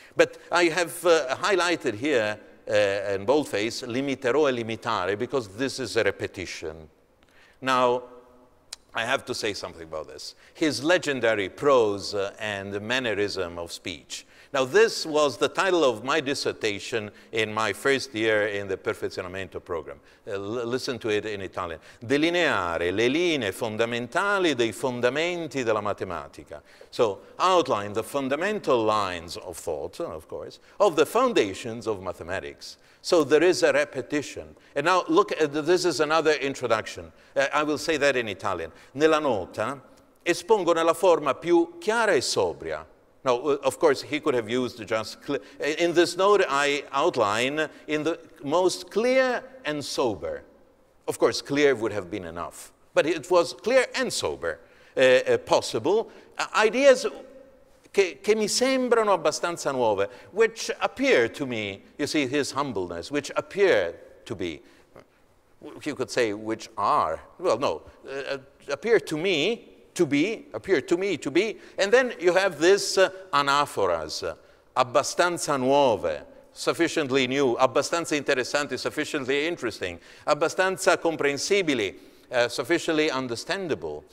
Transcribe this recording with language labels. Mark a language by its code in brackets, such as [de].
[en] But I have highlighted here in boldface, limiterò e limitare, because this is a repetition. Now, I have to say something about this. His legendary prose and mannerism of speech. Now, this was the title of my dissertation in my first year in the Perfezionamento program. Listen to it in Italian. [it] Delineare le linee fondamentali dei fondamenti della matematica. [en] So, outline the fundamental lines of thought, of course, of the foundations of mathematics. So there is a repetition. And now, look, this is another introduction. I will say that in Italian. [it] Nella nota, espongo nella forma più chiara e sobria. [en] Now, of course, he could have used just in this note, I outline in the most clear and sober. Of course, clear would have been enough. But it was clear and sober possible. [it] Ideas che mi sembrano abbastanza nuove, [en] which appear to me, you see, his humbleness, which appear to be, you could say, which are, well, no, appear to me, to be, appear to me to be, and then you have this anaphoras, [it] abbastanza nuove, [en] sufficiently new, [it] abbastanza interessanti, [en] sufficiently interesting, [it] abbastanza comprensibili, [en] sufficiently understandable.